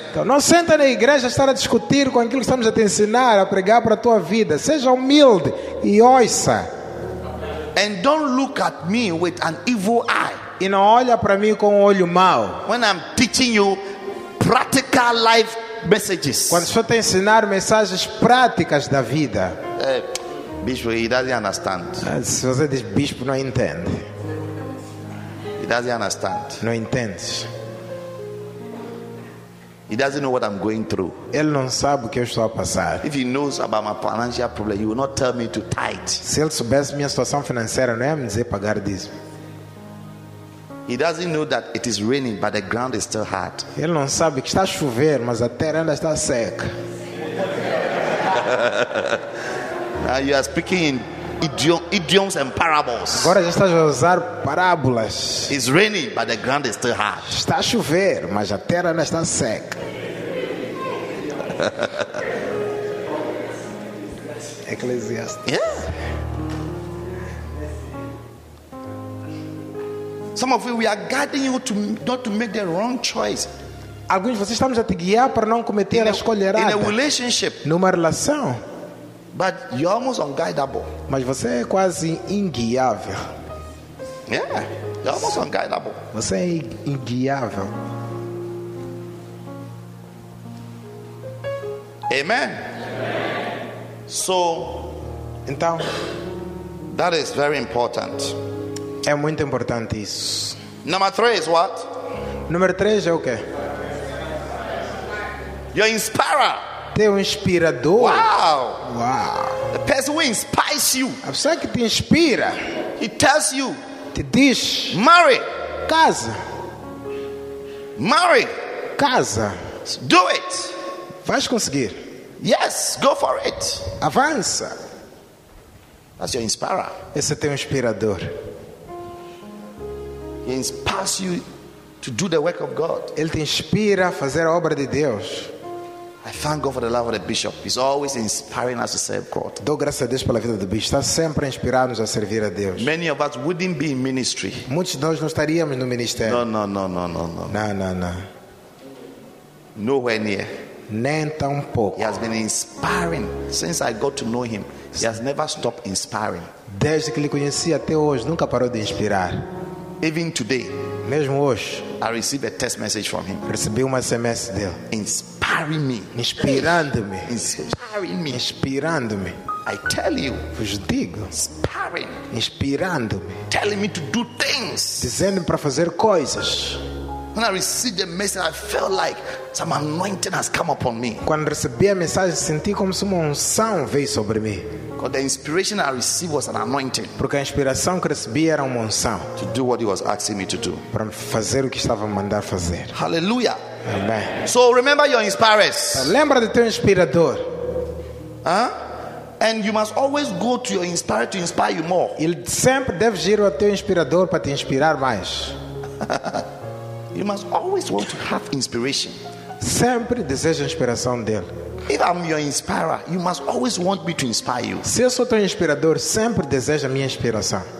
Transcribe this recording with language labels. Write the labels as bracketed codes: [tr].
[pt] Então, não senta na igreja estar a discutir com aquilo que estamos a te ensinar, a pregar para a tua vida. Seja humilde e ouça. [en] And don't look at me with an evil eye. [pt] E não olha para mim com um olho mau. [en] When I'm teaching you practical life messages. [pt] Quando estou a te ensinar mensagens práticas da vida. [en] Bishop, he doesn't understand. [pt] Se você diz bispo, não entende. [en] He doesn't understand. [pt] Não entende. [en] He doesn't know what I'm going through. [pt] Ele não sabe o que eu estou a passar. [en] If he knows about my financial problem, he will not tell me to tithe. [pt] Se ele soubesse minha situação financeira, não ia me dizer pagar dízimo. [en] He doesn't know that it is raining, but the ground is still hard. [pt] Ele não sabe que está a chover, mas a terra ainda está seca. [en] You are speaking in idioms and parables. [pt] Agora já estás a usar parábolas. [en] It's raining, but the ground is still hard. [pt] Está a chover, mas a terra ainda está seca. [en] Ecclesiastes. Yeah. Some of you, we are guiding you to not to make the wrong choice. [pt] Alguns de vocês estamos a te guiar para não cometer a escolha errada. [en] In a relationship. [pt] Numa relação. [en] But you're almost unguidable. [pt] Mas você é quase inguiável. [en] Yeah, you're almost unguidable. [pt] Você é inguiável. [en] Amen. So, [pt] então, [en] that is very important. [pt] É muito importante isso. [en] Number 3 is what? [pt] Número 3 é o quê? [en] Your inspirer. [pt] Teu inspirador. Wow. Wow. [en] The person who inspires you. [pt] A pessoa que te inspira. [en] He tells you. [pt] Te diz. [en] Marry. [pt] Casa. [en] Marry. [pt] Casa. [en] Do it. [pt] Vais conseguir. [en] Yes, go for it. [pt] Avança. [en] That's your inspirer. [pt] Esse é teu inspirador. [en] He inspires you to do the work of God. [pt] Ele te inspira a fazer a obra de Deus. [en] I thank God for the love of the bishop. He's always inspiring us to serve God. [pt] Dou graças a Deus pela vida do bispo. Está sempre a inspirar-nos a servir a Deus. [en] Many of us wouldn't be in ministry. [pt] Muitos de nós não estaríamos no ministério. [en] No. Nowhere near. [pt] Nem tão pouco. [en] He has been inspiring since I got to know him. He has never stopped inspiring. [pt] Desde que lhe conheci até hoje, nunca parou de inspirar. [en] Even today, [pt] mesmo hoje, [en] I received a text message from him. [pt] Recebi uma SMS dele. [en] Inspiring me. [pt] Inspirando-me. [en] Inspiring me. [pt] Inspirando-me. [en] I tell you. [pt] Vos digo. [en] Inspiring. [pt] Inspirando-me. [en] Telling me to do things. [pt] Dizendo-me para fazer coisas. [en] When I received the message, I felt like some anointing has come upon me. [pt] Quando recebi a mensagem, senti como se uma unção veio sobre mim. [en] Because the inspiration I received was an anointing. [pt] Porque a inspiração que recebi era uma unção. [en] To do what he was asking me to do. [pt] Para fazer o que estava a mandar fazer. Hallelujah. Amen. [en] So remember your inspirers. [pt] Lembra de teu inspirador. Huh? [en] And you must always go to your inspirer to inspire you more. [pt] Ele sempre deve ir ao teu inspirador para te inspirar mais. [en] You must always want to have inspiration. [pt] Sempre deseja inspiração dele. [en] If I'm your inspirer, you must always want me to inspire you. [pt] Se eu sou teu inspirador, sempre deseja minha inspiração.